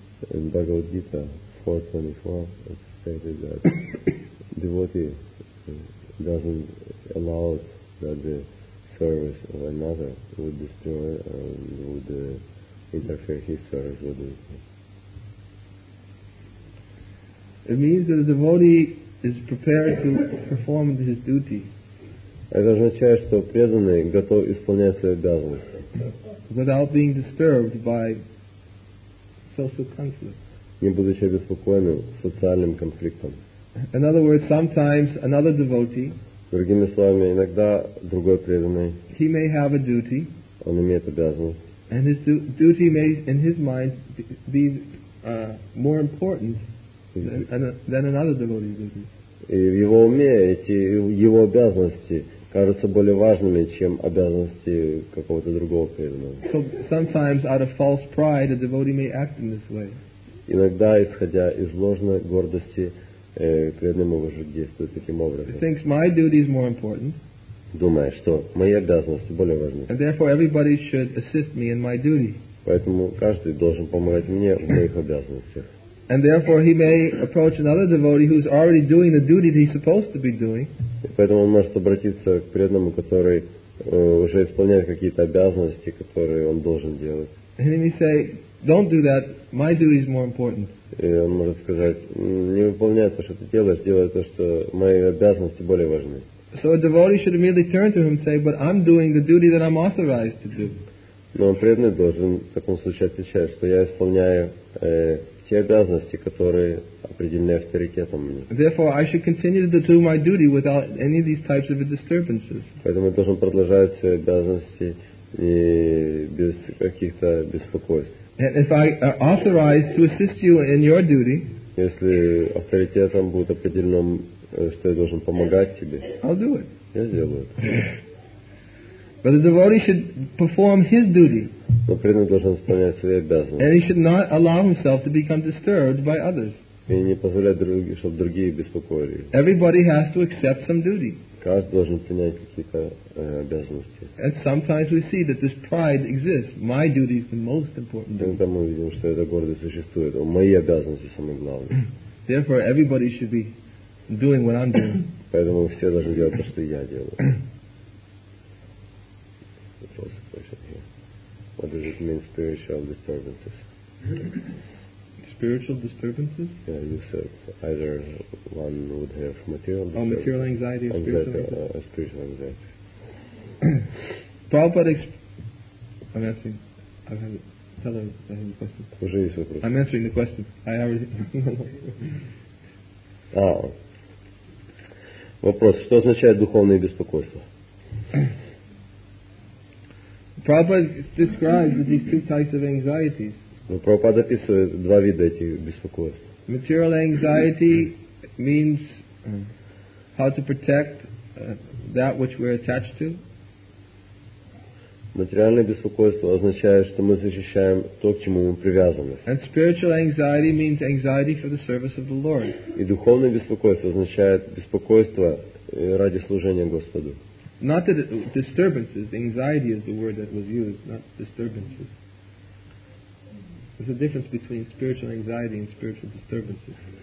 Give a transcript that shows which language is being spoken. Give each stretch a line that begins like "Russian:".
English: In Bhagavad Gita 4.24, it stated that devotee doesn't allow it that the service of another would destroy or would interfere his service with it. It means that the devotee is prepared to perform his duty.
Russian: Это означает, что преданный готов исполнять свои обязанности.
English: Without being disturbed by social conflict.
Russian: Не будучи обеспокоенным социальным конфликтом.
English: In other words, sometimes another devotee.
Russian: Другими словами, иногда другой преданный.
English: He may have a duty.
Russian: Он имеет обязанность.
English: And his duty may, in his mind, be more important. Than another devotee's duty.
Russian: И в его уме эти его обязанности кажутся более важными, чем обязанности какого-то другого преданного.
English: So sometimes out of false pride, a devotee may act in this way.
Russian: Иногда, исходя из ложной гордости, преданный может действовать таким образом.
English: He thinks my duty is more important.
Russian: Думая, что мои обязанности более важны.
English: And therefore everybody should assist me in my duty.
Russian: Поэтому каждый должен помогать мне в моих обязанностях.
English: And therefore he may approach another devotee who's already doing the duty that he's supposed to be doing.
Russian: Поэтому он может обратиться к преданному, который уже исполняет какие-то обязанности, которые он должен делать.
English: And he may say, don't do that, my duty is more important.
Russian: И он может сказать, не выполняй то, что ты делаешь, делай то, что мои обязанности более важны.
English: So a devotee should immediately turn to him and say, but I'm doing the duty that I'm authorized to do.
Russian: Но преданный должен в таком случае отвечать, что я исполняю те обязанности, которые определены авторитетом мне.
English: Therefore, I should continue to do my duty without any of these types of disturbances.
Russian: Поэтому я должен продолжать свои обязанности и без каких-то беспокойств.
English: And if I are authorized to assist you in your duty,
Russian: если авторитетом будет определено, что я должен помогать тебе,
English: I'll do it.
Russian: Я сделаю это.
English: But the devotee should perform his duty.
Russian: Но преданный должен исполнять свои обязанности.
English: And he should not allow himself to become disturbed by others.
Russian: И не позволять другим, чтобы другие беспокоили.
English: Everybody has to accept some duty.
Russian: Каждый должен принять какие-то обязанности.
English: And sometimes we see that this pride exists. My duty is the most important.
Russian: Иногда мы видим, что эта гордость существует. Мои обязанности самые главные.
English: Therefore, everybody should be doing what I'm doing.
Russian: Поэтому все должны делать то, что я делаю.
English: It's also a question here. What does it mean, spiritual disturbances? Spiritual disturbances? Yeah, you said either one would have material disturbance. Oh, material anxiety or spiritual anxiety. Prabhupada I'm asking. I have it. Tell him I have a question.
Russian: Уже есть вопрос.
English: I'm answering the question. I already.
Russian: Ah. Вопрос. Что означает духовное беспокойство?
English: Prabhupada describes these two types of anxieties.
Russian: Но Прабхупада описывает два вида этих беспокойств.
English: Material anxiety means how to protect that which we're attached to.
Russian: Материальное беспокойство означает, что мы защищаем то, к чему мы привязаны.
English: And spiritual anxiety means anxiety for the service of the Lord.
Russian: И духовное беспокойство означает беспокойство ради служения Господу.
English: Not that disturbances. The anxiety is the word that was used, not disturbances. There's a difference between spiritual anxiety and spiritual disturbances.